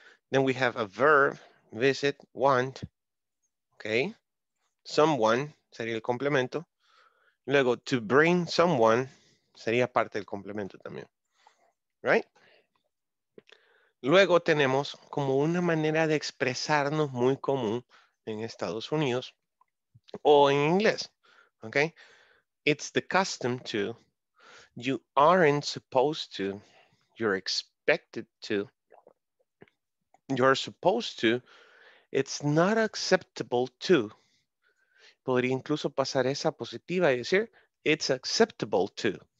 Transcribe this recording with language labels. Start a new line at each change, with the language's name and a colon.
English: Then we have a verb, visit, want, okay.
Spanish: Someone sería el complemento. Luego,
English: to bring someone
Spanish: sería parte del complemento también, right? Luego tenemos como una manera de expresarnos muy común en Estados Unidos o en inglés, okay?
English: It's the custom to, you aren't supposed to, you're expected to, you're supposed to, it's not acceptable to.
Spanish: Podría incluso pasar esa positiva y decir,
English: it's acceptable to.